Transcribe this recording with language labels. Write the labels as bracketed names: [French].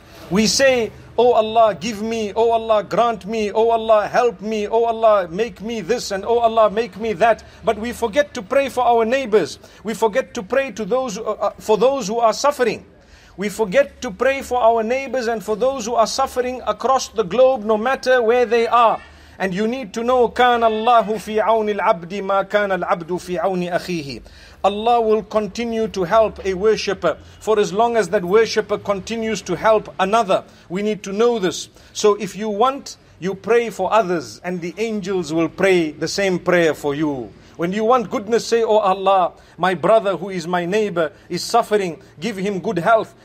[English] We say, oh Allah, give me, oh Allah, grant me, oh Allah, help me, oh Allah, make me this, and oh Allah, make me that. But we forget to pray for our neighbors. We forget to pray to those for those who are suffering. We forget to pray for our neighbors and for those who are suffering across the globe, no matter where they are. And you need to know, [Arabic] كان الله في عون العبد ما كان العبد في عون أخيه. [English] Allah will continue to help a worshipper for as long as that worshipper continues to help another. We need to know this. So if you want, you pray for others and the angels will pray the same prayer for you. When you want goodness, say, oh Allah, my brother who is my neighbor is suffering, give him good health.